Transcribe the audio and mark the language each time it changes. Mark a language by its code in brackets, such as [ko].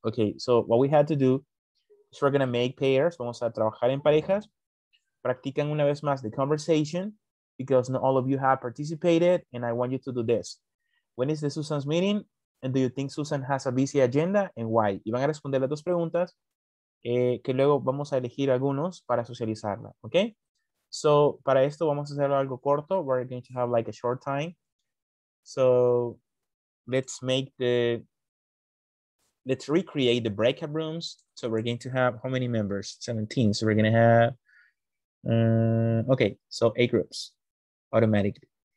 [en] Okay, so what we had to do is we're gonna make pairs. [es] Vamos a trabajar en parejas. Practican una vez más [en] the conversation because not all of you have participated and I want you to do this. When is the Susan's meeting? And do you think Susan has a busy agenda and why? [es] Y van a responder las dos preguntas que luego vamos a elegir algunos para socializarla, okay? So, para esto vamos a hacer algo corto. [en] We're going to have like a short time. So, let's recreate the breakout rooms. So, we're going to have how many members? 17. So, we're going to have, okay, so 8 groups automatically.